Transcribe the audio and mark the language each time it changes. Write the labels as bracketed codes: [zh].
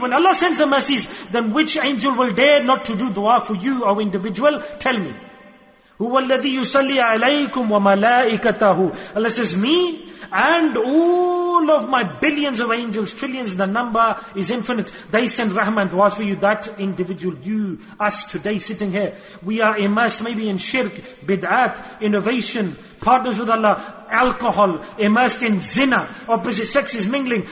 [en] When Allah sends the mercies, then which angel will dare not to do dua for you, O individual? Tell me. [ar] هو الذي يصلي عليكم وملائكته. [en] Allah says, me and all of my billions of angels, trillions, the number is infinite. They send rahmah and du'as for you. That individual, you, us today sitting here, we are immersed maybe in shirk, bid'at, innovation, partners with Allah, alcohol, immersed in zina, opposite sex is mingling.